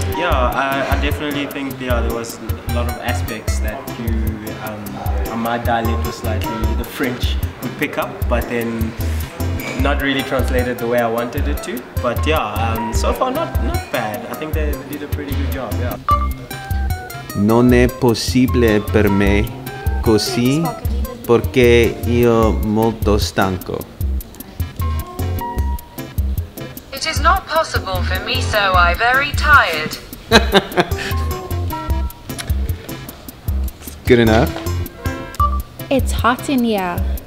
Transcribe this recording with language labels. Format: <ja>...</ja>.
<en>Yeah, I definitely think there was a lot of aspects that you my dialect was slightly the French would pick up, but then not really translated the way I wanted it to, but yeah, so far not bad. I think they did a pretty good job, yeah.</en> <it>Non è possibile per me così perché io molto stanco.</it> <en>It is not possible for me, so I'm very tired. Good enough. It's hot in here.</en>